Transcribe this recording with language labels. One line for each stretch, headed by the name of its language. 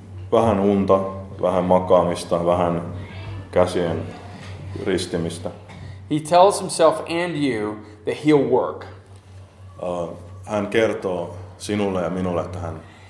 Finnish: Vähän unta, vähän makaamista, vähän käsien ristimistä.
English: He tells himself and you that he'll work.
Finnish: Hän kertoo sinulle ja minulle, että hän